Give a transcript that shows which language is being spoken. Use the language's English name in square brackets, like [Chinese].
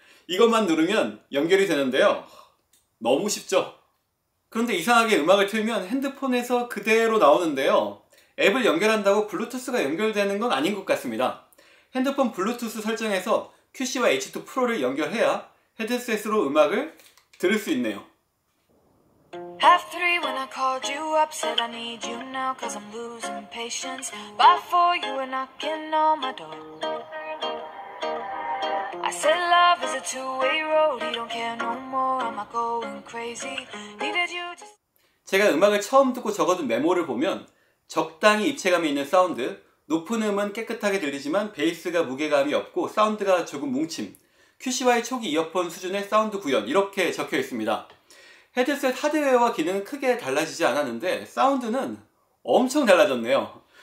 [Korean] 이것만 누르면 연결이 되는데요, 너무 쉽죠? 그런데 이상하게 음악을 틀면 핸드폰에서 그대로 나오는데요, 앱을 연결한다고 블루투스가 연결되는 건 아닌 것 같습니다. 핸드폰 블루투스 설정에서 QCY H2 프로를 연결해야 헤드셋으로 음악을 들을 수 있네요. [English] Half three when I called you up, said I need you now, cause I'm losing patience. By four you were knocking on my door. I said love is a two-way road, you don't care no more, am I going crazy? Needed you to... [Korean] 제가 음악을 처음 듣고 적어둔 메모를 보면 적당히 입체감이 있는 사운드, 높은 음은 깨끗하게 들리지만 베이스가 무게감이 없고 사운드가 조금 뭉침, QCY 초기 이어폰 수준의 사운드 구현, 이렇게 적혀 있습니다. 헤드셋 하드웨어와 기능은 크게 달라지지 않았는데 사운드는 엄청 달라졌네요.